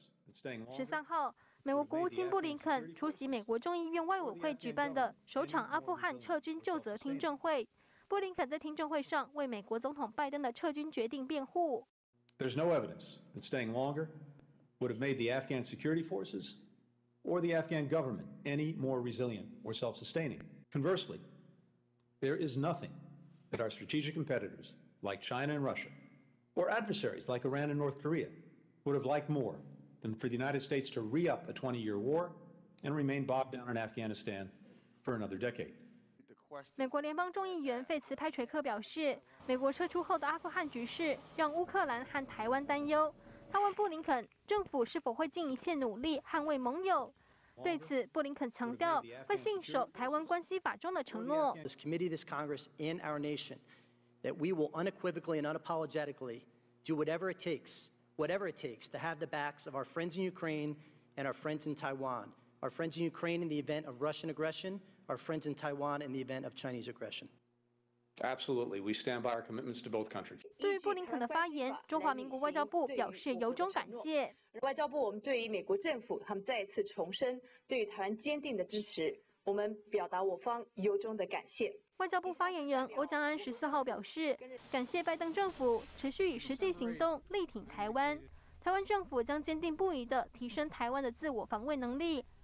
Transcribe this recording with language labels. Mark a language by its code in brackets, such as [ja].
[zh] 13号，美国国务卿布林肯出席美国众议院外委会举办的首场阿富汗撤军就责听证会。布林肯在听证会上为美国总统拜登的撤军决定辩护。 [en] There's no evidence that staying longer would have made the Afghan security forces or the Afghan government any more resilient or self-sustaining. Conversely, there is nothing that our strategic competitors like China and Russia or adversaries like Iran and North Korea would have liked more than for the United States to re-up a 20-year war and remain bogged down in Afghanistan for another decade. [zh] 美国联邦众议员费茨派垂克表示，美国撤出后的阿富汗局势让乌克兰和台湾担忧。他问布林肯，政府是否会尽一切努力捍卫盟友？对此，布林肯强调会信守《台湾关系法》中的承诺。 [en] This committee, this Congress, and our nation, that we will unequivocally and unapologetically do whatever it takes to have the backs of our friends in Ukraine and our friends in Taiwan, our friends in Ukraine in the event of Russian aggression. Our friends in Taiwan in the event of Chinese aggression. Absolutely, we stand by our commitments to both countries. [zh] 对于布林肯的发言，中华民国外交部表示由衷感谢。外交部，我们对于美国政府他们再次重申对于台湾坚定的支持，我们表达我方由衷的感谢。外交部发言人欧江安14号表示，感谢拜登政府持续以实际行动力挺台湾，台湾政府将坚定不移地提升台湾的自我防卫能力。